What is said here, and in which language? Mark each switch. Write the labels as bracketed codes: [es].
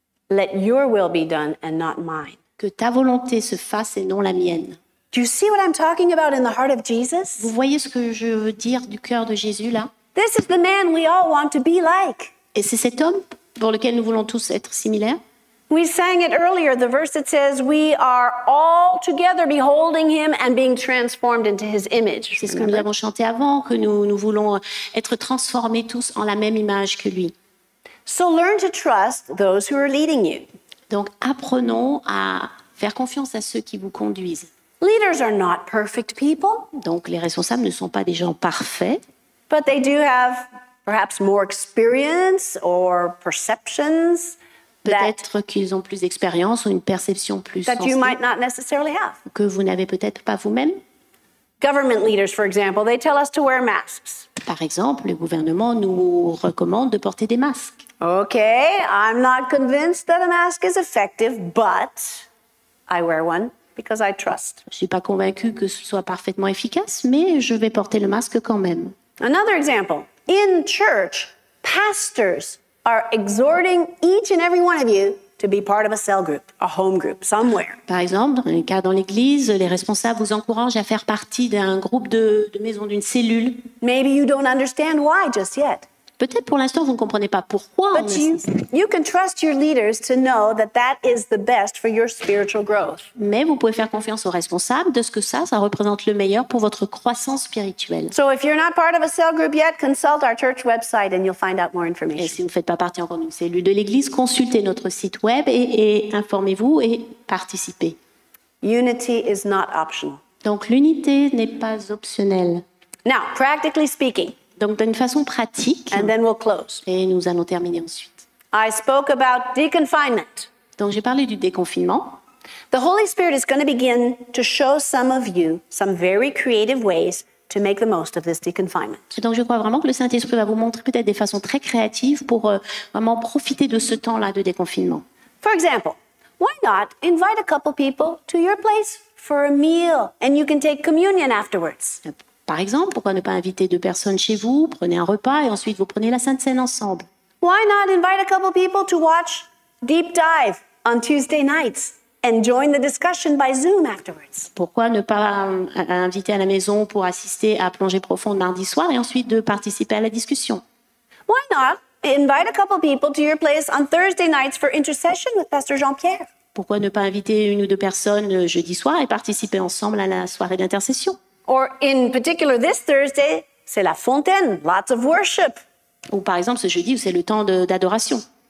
[en] Let your will be done and not mine. [fr] Que ta volonté se fasse et non la mienne. [en] Do you see what I'm talking about in the heart of Jesus? [fr] Vous voyez ce que je veux dire du cœur de Jésus là? [en] This is the man we all want to be like. [fr] Et c'est cet homme pour lequel nous voulons tous être similaires. [en] We sang it earlier, the verse that says we are all together beholding him and being transformed into his image. [fr] C'est ce que nous avons chanté avant, que nous voulons être transformés tous en la même image que lui. [en] So learn to trust those who are leading you. [fr] Donc apprenons à faire confiance à ceux qui vous conduisent. [en] Leaders are not perfect people. [fr] Donc les responsables ne sont pas des gens parfaits. [en] But they do have perhaps more experience or perceptions. [fr] Peut-être qu'ils ont plus d'expérience ou une perception plus sensible que vous n'avez peut-être pas vous-même. [en] Government leaders, for example, they tell us to wear masks. [fr] Par exemple, le gouvernement nous recommande de porter des masques. [en] Okay, I'm not convinced that a mask is effective, but I wear one because I trust. [fr] Je ne suis pas convaincue que ce soit parfaitement efficace, mais je vais porter le masque quand même. [en] Another example, in church, pastors are exhorting each and every one of you to be part of a cell group, a home group, somewhere. [fr] Par exemple, dans les cas dans l'église, les responsables vous encouragent à faire partie d'un groupe de maison, d'une cellule. [en] Maybe you don't understand why just yet. [fr] Peut-être pour l'instant, vous ne comprenez pas pourquoi. [en] But you can trust your leaders to know that that is the best for your spiritual growth. [fr] Mais vous pouvez faire confiance aux responsables de ce que ça représente le meilleur pour votre croissance spirituelle. [en] So if you're not part of a cell group yet, consult our church website and you'll find out more information. [fr] Et si vous ne faites pas partie encore d'une cellule de l'église, consultez notre site web et informez-vous et participez. [en] Unity is not optional. [fr] Donc l'unité n'est pas optionnelle. [en] Now, practically speaking, [fr] donc d'une façon pratique, [en] and then we'll close. [fr] Et nous allons terminer ensuite. [en] I spoke about deconfinement. [fr] Donc j'ai parlé du déconfinement. [en] The Holy Spirit is going to begin to show some of you some very creative ways to make the most of this deconfinement. [fr] Et donc je crois vraiment que le Saint-Esprit va vous montrer peut-être des façons très créatives pour vraiment profiter de ce temps-là de déconfinement. [en] For example, why not invite a couple people to your place for a meal and you can take communion afterwards? [fr] Par exemple, pourquoi ne pas inviter deux personnes chez vous, prenez un repas et ensuite vous prenez la Sainte Cène ensemble. [en] Why not invite a couple people to watch Deep Dive on Tuesday nights and join the discussion by Zoom afterwards? [fr] Pourquoi ne pas inviter à la maison pour assister à Plongée Profonde mardi soir et ensuite de participer à la discussion? [en] Why not invite a couple people to your place on Thursday nights for intercession with Pastor Jean-Pierre? [fr] Pourquoi ne pas inviter une ou deux personnes jeudi soir et participer ensemble à la soirée d'intercession? [en] Or in particular this Thursday, [fr] c'est la fontaine, [en] lots of worship. [fr] Ou par exemple ce jeudi où c'est le temps d'adoration.